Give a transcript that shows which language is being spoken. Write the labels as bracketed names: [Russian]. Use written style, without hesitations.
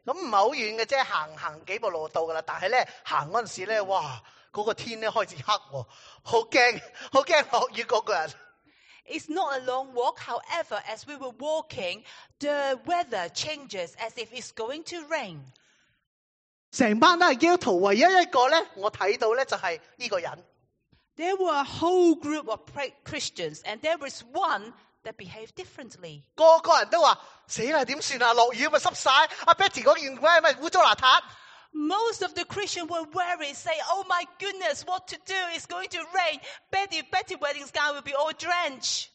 [Cantonese] 咁唔系好远嘅啫，行几步路到噶啦。但系咧，行嗰阵时咧，哇！嗰、那个天咧开始黑喎，好惊，好惊落雨嗰个人。 [English] It's not a long walk. However, as we were walking, the weather changes as if it's going to rain. [Cantonese] 成班都系基督徒，唯一一个咧，我睇到咧就系呢个人。 [English] There were a whole group of Christians, and there was one that behaved differently. [Cantonese] 个个人都话：死啦，点算啊？落雨咪湿晒，阿 Betty 嗰件鬼咪污糟邋遢。 [English] Most of the Christians were worried, say, "Oh my goodness, what to do? It's going to rain. Betty wedding gown will be all drenched."